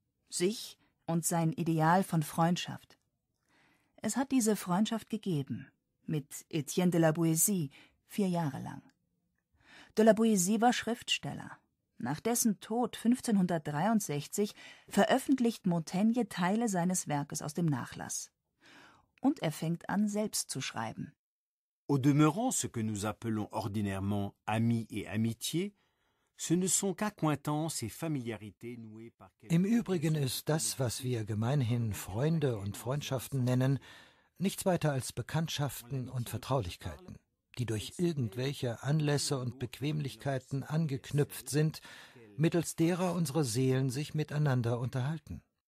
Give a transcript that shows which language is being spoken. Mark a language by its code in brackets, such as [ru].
[de] Sich und sein Ideal von Freundschaft. Es hat diese Freundschaft gegeben, mit Etienne de la Boétie, 4 Jahre lang. De la Boétie war Schriftsteller. Nach dessen Tod 1563 veröffentlicht Montaigne Teile seines Werkes aus dem Nachlass. Und er fängt an, selbst zu schreiben. [fr] Au demeurant, ce que nous appelons ordinairement amis et amitié, ce ne sont qu'acquaintances et familiarités nouées par quelques... [de] Im Übrigen ist das, was wir gemeinhin Freunde und Freundschaften nennen, nichts weiter als Bekanntschaften und Vertraulichkeiten, die durch irgendwelche Anlässe und Bequemlichkeiten angeknüpft sind, mittels derer unsere Seelen sich miteinander unterhalten.